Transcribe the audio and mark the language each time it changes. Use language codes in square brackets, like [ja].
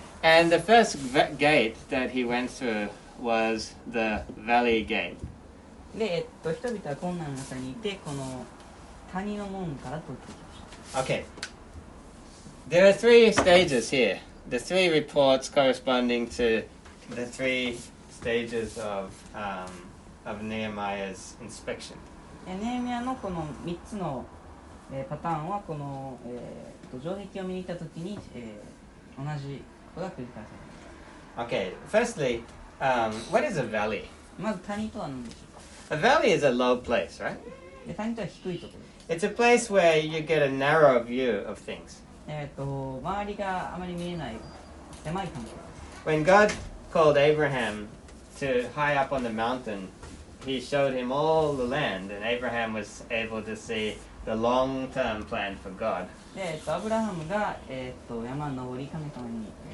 [en] And the first gate that he went through was the valley gate. [ja] で、人々は困難の中にいて、この谷の門から通ってきました。 [en] Okay. There are three stages here. The three reports corresponding to the three stages of Nehemiah's inspection. [ja] Nehemiah のこの3つの、パターンはこの、城壁を見に行った時に、同じことが繰り返されます。 [en] Okay, firstly, what is a valley? [ja] まず谷とは何でしょうか? [en] A valley is a low place, right? [ja] 谷とは低いところ。 [en] It's a place where you get a narrow view of things. [ja] 周りがあまり見えない狭い環境。 [en] When God called Abraham to high up on the mountainHe showed him all the land, and Abraham was able to see the long-term plan for God. [ja] で、アブラハムが、山登り神様に、